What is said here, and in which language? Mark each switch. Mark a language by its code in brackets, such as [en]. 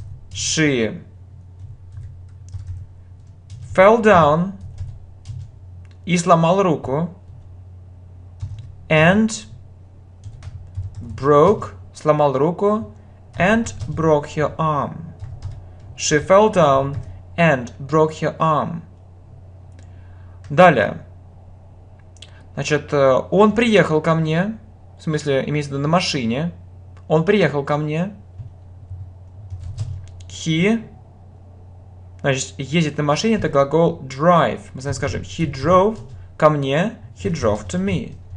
[en] She fell down [ru] и сломала руку. [en] And broke, [ru] сломала руку. [en] And broke her arm. She fell down and broke her arm. [ru] Далее. Значит, он приехал ко мне. В смысле, имеется в виду на машине. Он приехал ко мне. He, значит, ездит на машине, это глагол drive. Мы с вами скажем, [en] he drove [ru] ко мне, [en] he drove to me.